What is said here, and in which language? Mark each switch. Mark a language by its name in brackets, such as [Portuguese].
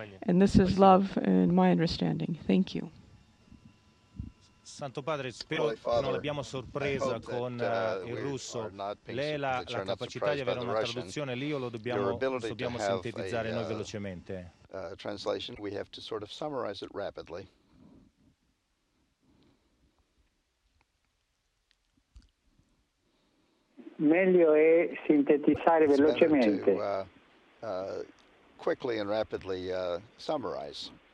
[English] And this is love in my understanding. Thank you. [Italian] Santo Padre, spero non l'abbiamo sorpresa con il russo. Lei ha la capacità di avere una traduzione, lì lo dobbiamo sintetizzare noi velocemente. [English] Translation, we have to sort of summarize it rapidly. [Italian] Meglio è sintetizzare velocemente. [English] Quickly and rapidly summarize.